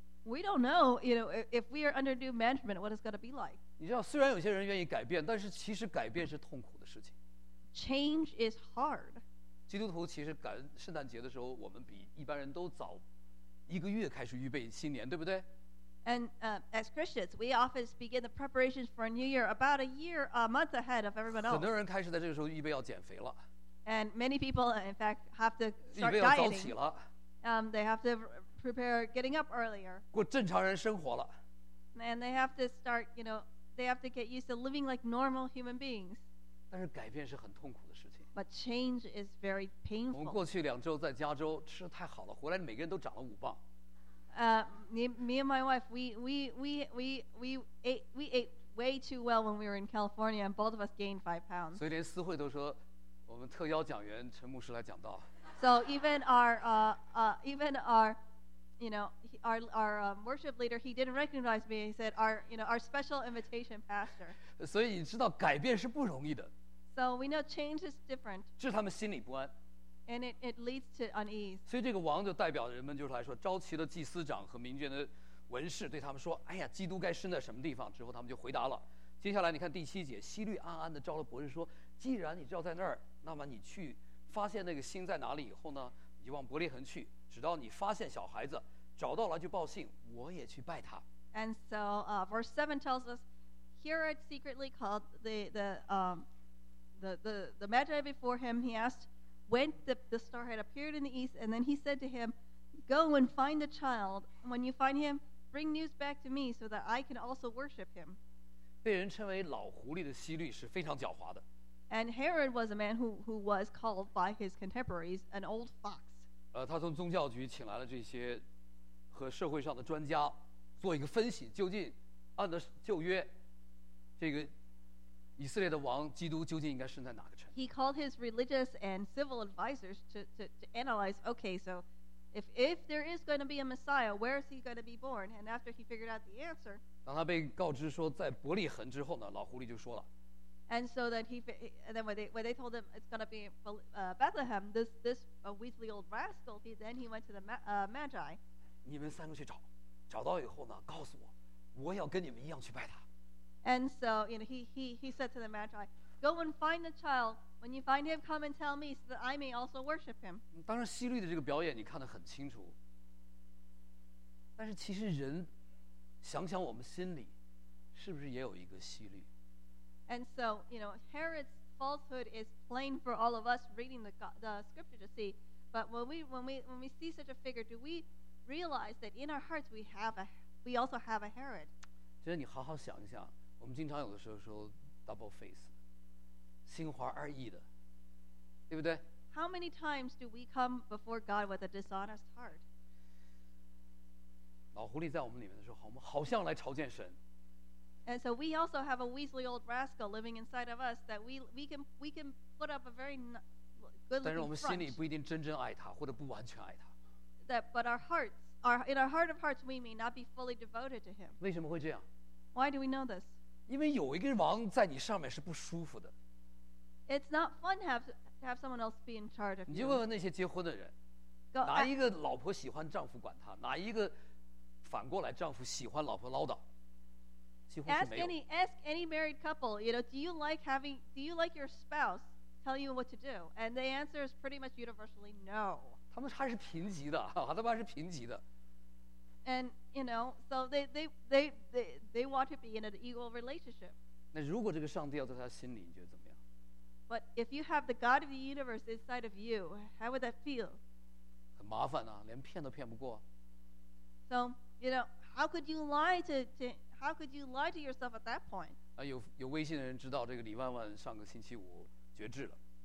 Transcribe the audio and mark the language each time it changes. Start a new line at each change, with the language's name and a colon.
English: We don't know, you know, if we are under new management, what it's going to be like.
Chinese: 你知道，虽然有些人愿意改变，但是其实改变是痛苦的事情。
English: Change is hard.
Chinese: 基督徒其实赶圣诞节的时候，我们比一般人都早一个月开始预备新年，对不对？
English: And as Christians, we often begin the preparations for a new year about a year, a month ahead of everyone else.
Chinese: 很多人开始在这个时候预备要减肥了。
English: And many people, in fact, have to start dieting.
Chinese: 预备要早起了。
English: They have to prepare getting up earlier.
Chinese: 过正常人生活了。
English: And they have to start, you know, they have to get used to living like normal human beings.
Chinese: 但是改变是很痛苦的事情。
English: But change is very painful.
Chinese: 我们过去两周在加州吃得太好了，回来每个人都长了五磅。
English: Me and my wife, we ate way too well when we were in California, and both of us gained 5 pounds.
Chinese: 所以连司会都说，我们特邀讲员陈牧师来讲道。
English: So even our worship leader, he didn't recognize me. He said, our special invitation pastor.
Chinese: 所以你知道改变是不容易的。
English: So we know change is different.
Chinese: 这是他们心里不安。
English: And it leads to unease.
Chinese: 所以这个王就代表人们就是来说，召集的祭司长和民间的文士对他们说：“哎呀，基督该生在什么地方？” 之后他们就回答了。接下来你看第七节，希律暗暗的召了博士说：“既然你知道在那儿，那么你去发现那个星在哪里以后呢，你就往伯利恒去，直到你发现小孩子，找到了就报信，我也去拜他。”
English: And so, verse 7 tells us, Herod secretly called the Magi before him. He asked. When the star had appeared in the east, and then he said to him, "Go and find the child. When you find him, bring news back to me so that I can also worship him."
Chinese: 被人称为老狐狸的希律是非常狡猾的。
English: And Herod was a man who was called by his contemporaries an old fox.
Chinese: 他从宗教局请来了这些和社会上的专家做一个分析，究竟按照旧约这个。以色列的王基督究竟应该生在哪个城？
English: He called his religious and civil advisors to analyze. Okay, so if there is going to be a Messiah, where is he going to be born? And after he figured out the answer,
Chinese: 当他被告知说在伯利恒之后呢，老狐狸就说了。
English: And so that when they told him it's going to be Bethlehem, this weaselly old rascal, he went to the Magi.
Chinese: 你们三个去找，找到以后呢，告诉我，我要跟你们一样去拜他。
English: And so, you know, he said to the Magi, "Go and find the child. When you find him, come and tell me, so that I may also worship him."
Chinese: 当然，希律的这个表演你看得很清楚，但是其实人想想我们心里是不是也有一个希律
English: And so, you know, Herod's falsehood is plain for all of us reading the scripture to see. But when we see such a figure, do we realize that in our hearts we also have a Herod?
Chinese: 真的，你好好想一想，我们经常有的时候说
English: double face，
Chinese: 心怀二意的，对不对？
English: How many times do we come before God with a dishonest heart?
Chinese: 老狐狸在我们里面的时候，我们好像来朝见神。
English: And so we also have a weaselly old rascal living inside of us that we can put up a very good-looking front.
Chinese: 但是我们心里不一定真正爱他，或者不完全爱他。
English: But our hearts, in our heart of hearts, we may not be fully devoted to him.
Chinese: 为什么会这样？
English: Why do we know this?
Chinese: 因为有一个王在你上面是不舒服的。 It's not fun to have someone else be in charge of you. 你就问问那些结婚的人，哪一个老婆喜欢丈夫管他？哪一个反过来丈夫喜欢老婆唠叨？
English: Ask any married couple, you know, do you like your spouse tell you what to do? And the answer is pretty much universally no.
Chinese: 他们还是贫瘠的，哈，他们还是贫瘠的。
English: And you know, so they want to be in an equal relationship.
Chinese: 那如果这个上帝要在他心里，你觉得怎么样？
English: But if you have the God of the universe inside of you, how would that feel?
Chinese: 很麻烦啊，连骗都骗不过。
English: So you know, how could you lie to How could you lie to yourself at that point?
Chinese: 啊，有微信的人知道这个李万万上个星期五绝志了。